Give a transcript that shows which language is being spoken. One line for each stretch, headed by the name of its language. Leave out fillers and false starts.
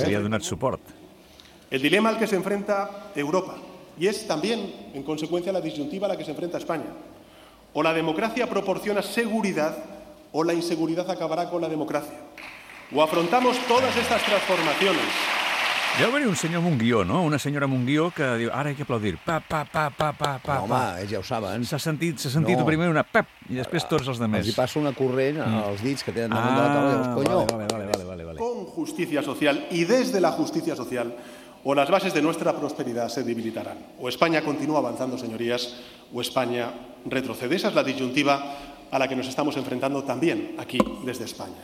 Catalan: havia donat suport.
Spanish: El dilema al que se enfrenta Europa, y es también, en consecuencia, la disyuntiva a la que se enfrenta España. O la democracia proporciona seguridad, o la inseguridad acabará con la democracia. O afrontamos todas estas transformaciones.
Catalan: Ja va venir un senyor amb un guió, no? Una senyora amb un guió que diu, ara hi ha que aplaudir. Pa, pa, pa, pa, pa, pa. No, home, ells ja ho saben. S'ha sentit no. Primer una pep, i després tots els altres. Els hi passa una corrent als dits que tenen damunt de la taula, i dius, coño. Vale.
Spanish: Con justicia social, y desde la justicia social, o las bases de nuestra prosperidad se debilitarán. O España continúa avanzando, señorías, o España retrocede. Esa es la disyuntiva a la que nos estamos enfrentando también aquí desde España.